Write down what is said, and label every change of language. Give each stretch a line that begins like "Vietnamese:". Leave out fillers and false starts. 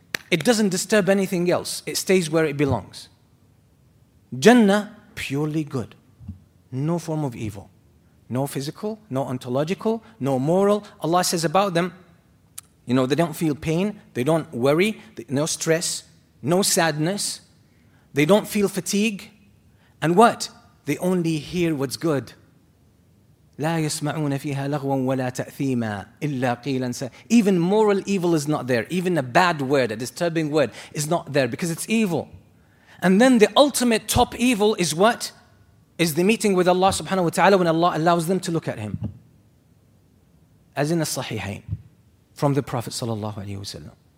English: It doesn't disturb anything else. It stays where it belongs. Jannah, purely good. No form of evil. No physical, no ontological, no moral. Allah says about them, you know, they don't feel pain, they don't worry, no stress, no sadness, they don't feel fatigue, and what? They only hear what's good.
Arabic: لا يسمعون فيها لغوا ولا تأثيما إلا قيلا.
English: Even moral evil is not there. Even a bad word, a disturbing word, is not there, because it's evil. And then the ultimate top evil is what? Is the meeting with Allah subhanahu wa ta'ala, when Allah allows them to look at Him. As in the Sahihain, from the Prophet sallallahu alayhi wa sallam.